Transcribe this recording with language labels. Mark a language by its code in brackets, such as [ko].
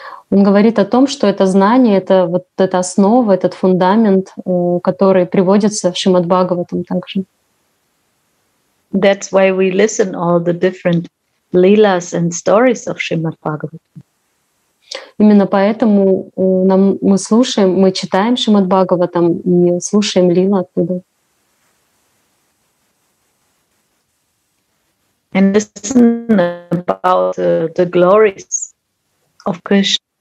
[ru] Он говорит о том, что это знание, это вот эта основа, этот фундамент, который приводится в Шримад Бхагаватам также. [en] That's why we listen all the different lilas and stories of Shrimad Bhagavatam. [ru] Именно поэтому нам, мы слушаем, мы читаем Шримад Бхагаватам и слушаем лилу оттуда. [en] And listen about the glories of Krishna.